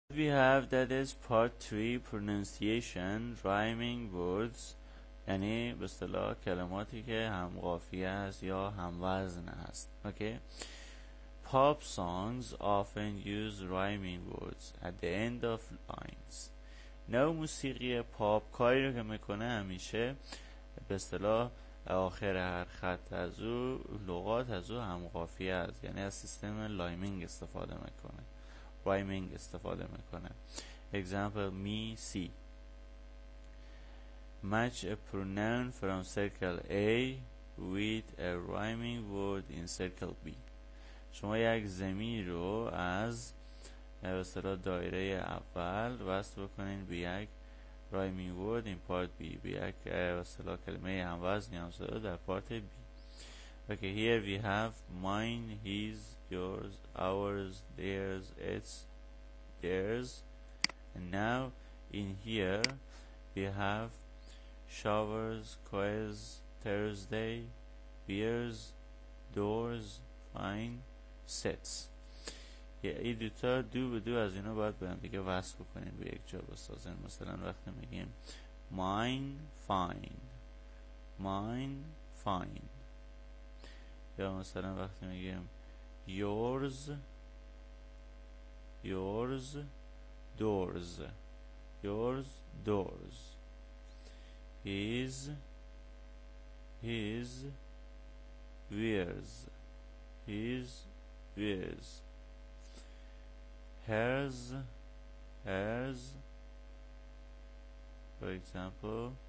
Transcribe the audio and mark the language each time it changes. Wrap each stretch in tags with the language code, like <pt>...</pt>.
<en>We have that is part 3 pronunciation rhyming words</en> <fa>یعنی به اصطلاح کلماتی که هم قافیه است یا هم وزن است.</fa> <en>Okay pop songs often use rhyming words at the end of lines.</en> <fa>نو موسیقی پاپ کاری رو که میکنه همیشه به اصطلاح آخر هر خط از او لغات از او هم قافیه است، یعنی از سیستم لایمینگ استفاده میکنه، rhyming استفاده میکنه.</fa> <en>Example me see. Match a pronoun from circle A with a rhyming word in circle B.</en> <fa>شما یک ضمیر رو از مثلا دایره اول وصل بکنین به یک</fa> <en>rhyming word in part B،</en> <fa>به یک مثلا کلمه هم وزن هم صدا در</fa> <en>part B. Okay, here we have mine, his, yours, ours, theirs, its, theirs. And now in here we have showers, quiz, Thursday, beers, doors, fine, sets.</en> <fa>این دوتا دو به دو از اینا باید به هم دیگه وصل بکنیم به یک جا بسازن. مثلا وقتی میگیم</fa> <en>mine, fine. Mine, fine.</en> <fa>یا مثلا وقتی میگیم</fa> <en>yours, yours, doors, yours, doors, his, his, wears, his, wears, hers, hers, for example,</en>